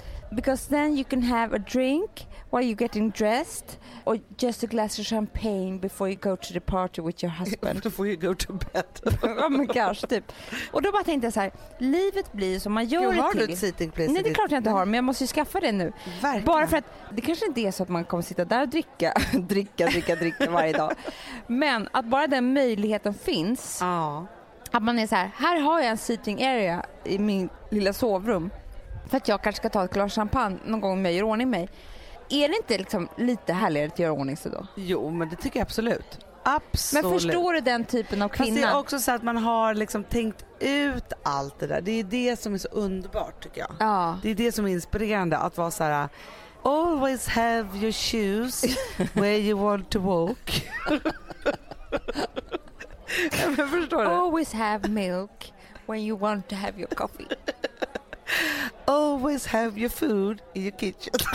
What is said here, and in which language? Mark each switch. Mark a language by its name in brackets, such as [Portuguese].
[English] Because then you can have a drink while you're getting dressed or just a glass of champagne before you go to the party with your husband. Before you go to bed. Oh my gosh, typ. [Swedish] Och då bara tänkte jag så här, livet blir som man gör jo, har det du ett seating place? Nej, det är klart jag inte har, men jag måste ju skaffa det nu. Verkligen. Bara för att det kanske inte är så att man kommer sitta där och dricka, dricka varje dag. Men att bara den möjligheten finns. Ja. Att man är så här, här har jag en seating area i min lilla sovrum. För att jag kanske ska ta ett glas champagne någon gång om jag gör ordning mig. Är det inte liksom lite härligare att göra ordning sig då? Jo, men det tycker jag absolut. Absolut. Men förstår du den typen av kvinna? Fast det är också så att man har liksom tänkt ut allt det där. Det är det som är så underbart, tycker jag. Ja. Det är det som är inspirerande. Att vara så här, always have your shoes where you want to walk. Jag förstår det. [English] Always have milk when you want to have your coffee. Always have your food in your kitchen.